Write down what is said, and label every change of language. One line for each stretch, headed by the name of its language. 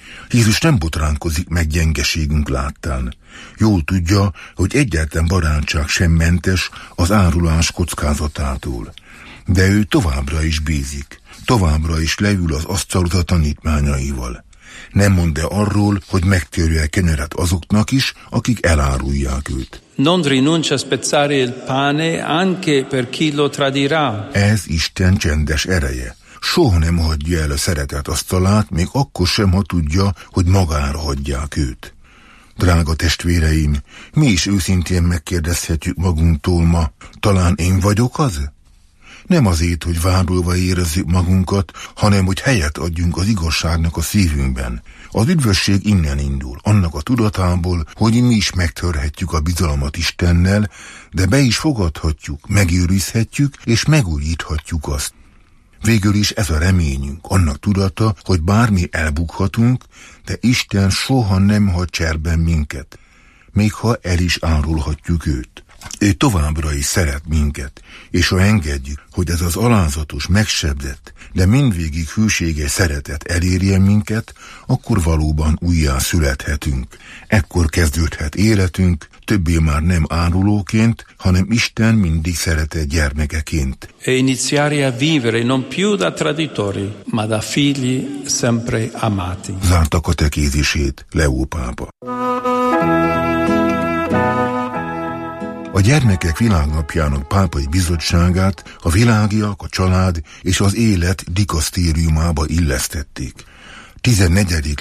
Hungarian: Jézus nem botránkozik meg gyengeségünk láttán. Jól tudja, hogy egyetlen barátság sem mentes az árulás kockázatától. De ő továbbra is bízik, továbbra is leül az asztalhoz a tanítmányaival. Nem mond-e arról, hogy megtörje kenyeret azoknak is, akik elárulják őt.
Italian: Non rinuncia spezzare il pane anche per chi lo tradirà.
Hungarian: Ez Isten csendes ereje. Soha nem hagyja el a szeretet asztalát, még akkor sem, ha tudja, hogy magára hagyják őt. Drága testvéreim, mi is őszintén megkérdezhetjük magunktól ma, talán én vagyok az? Nem azért, hogy vádolva érezzük magunkat, hanem hogy helyet adjunk az igazságnak a szívünkben. Az üdvösség innen indul, annak a tudatából, hogy mi is megtörhetjük a bizalmat Istennel, de be is fogadhatjuk, megőrizhetjük és megújíthatjuk azt. Végül is ez a reményünk, annak tudata, hogy bármi elbukhatunk, de Isten soha nem hagy cserben minket, még ha el is árulhatjuk őt. Ő továbbra is szeret minket, és ha engedjük, hogy ez az alázatos, megsebzett, de mindvégig hűséges szeretet elérjen minket, akkor valóban újjá születhetünk. Ekkor kezdődhet életünk, többé már nem árulóként, hanem Isten mindig szeretett gyermekeként.
Italian: E iniziare a vivere non più da traditori, ma da figli sempre amati.
Hungarian: Zárta katekézisét Leó pápa. A gyermekek világnapjának pápai bizottságát a világiak, a család és az élet dikasztériumába illesztették. 14.